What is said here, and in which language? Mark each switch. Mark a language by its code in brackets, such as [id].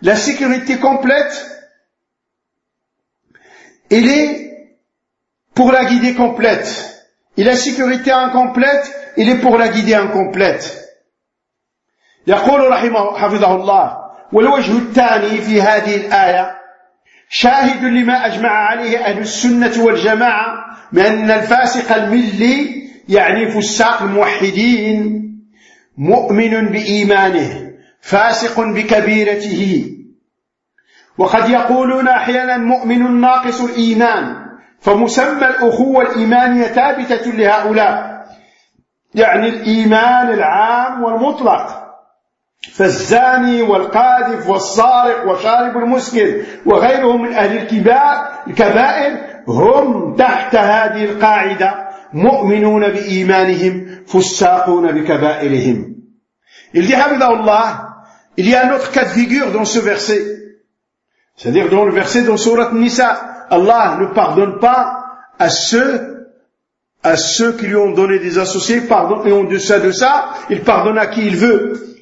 [fr] La sécurité complète, elle est pour la guidée complète. Et la sécurité incomplète, elle est pour la guidée incomplète. [ar] يقول رحمه حفظه الله والوجه الثاني في هذه الآية شاهد لما أجمع عليه أهل السنة والجماعة من أن الفاسق الملي يعني فساق الموحدين مؤمن بإيمانه فاسق بكبيرته. وقد يقولون أحيانا مؤمن ناقص الإيمان، فمسمى الأخوة الإيمانية ثابتة لهؤلاء، يعني الإيمان العام والمطلق. فالزاني والقاذف والسارق وشارب المسكر وغيرهم من أهل الكبائر هم تحت هذه القاعدة، مؤمنون بإيمانهم فساقون بكبائرهم. [fr] Il dit حمد الله، il y a un autre cas de figure dans ce verset. C'est-à-dire dans le verset dans sourate Nisa, Allah ne pardonne pas à ceux qui lui ont donné des associés, pardon, et en deçà de ça, il pardonne à qui il veut.